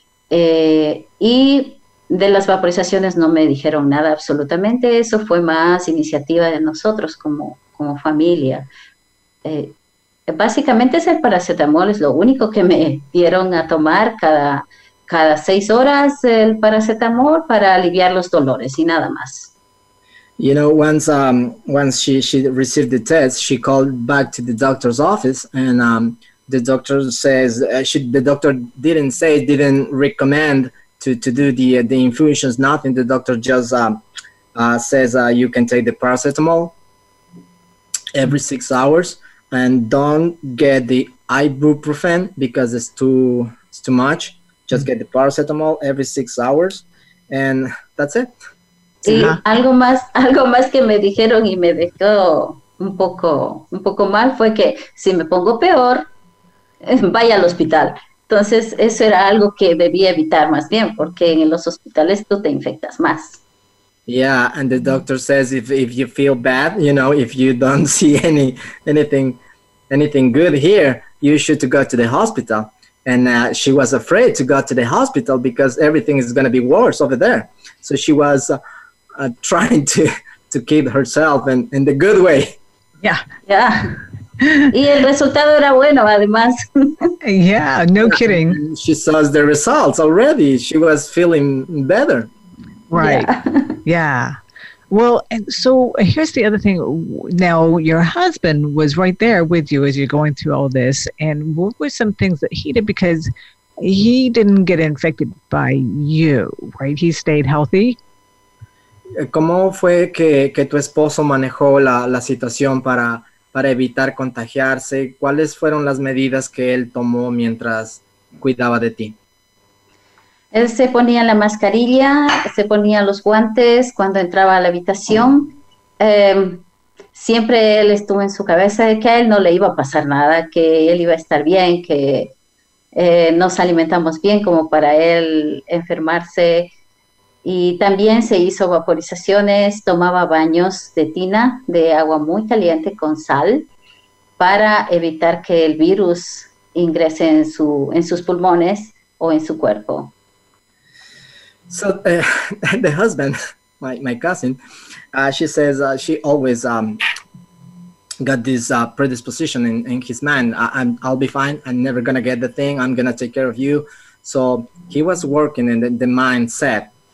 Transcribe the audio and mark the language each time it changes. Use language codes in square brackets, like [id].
[es] Y de las vaporizaciones no me dijeron nada absolutamente. Eso fue más iniciativa de nosotros como familia. Básicamente es el paracetamol, es lo único que me dieron a tomar cada 6 horas el paracetamol para aliviar los dolores y nada más. [en] You know, once she received the test, she called back to the doctor's office, and the doctor says didn't recommend to do the infusions, nothing. The doctor just says you can take the paracetamol every 6 hours, and don't get the ibuprofen because it's too much. Just get the paracetamol every 6 hours, and that's it. [es] Sí, algo más que me dijeron y me dejó un poco mal fue que si me pongo peor, vaya al hospital. Entonces, eso era algo que debía evitar más bien, porque en los hospitales tú te infectas más. [en] Yeah, and the doctor says if you feel bad, you know, if you don't see anything good here, you should go to the hospital. And she was afraid to go to the hospital because everything is going to be worse over there. So she was trying to keep herself in the good way. Yeah. [es] Yeah. Y el resultado era bueno, además. [en] Yeah, no kidding. She saw the results already. She was feeling better. Right. Yeah. Yeah. Well, and so here's the other thing. Now, your husband was right there with you as you're going through all this. And what were some things that he did? Because he didn't get infected by you, right? He stayed healthy. [es] ¿Cómo fue que tu esposo manejó la situación para evitar contagiarse? ¿Cuáles fueron las medidas que él tomó mientras cuidaba de ti? Él se ponía la mascarilla, se ponía los guantes cuando entraba a la habitación. Siempre él estuvo en su cabeza de que a él no le iba a pasar nada, que él iba a estar bien, que nos alimentamos bien como para él enfermarse. Y también se hizo vaporizaciones, tomaba baños de tina, de agua muy caliente con sal, para evitar que el virus ingrese en sus pulmones o en su cuerpo. [en] So the husband, my cousin, she says she always got this predisposition in his mind. I'll be fine. I'm never gonna get the thing. I'm gonna take care of you. So he was working in the mindset.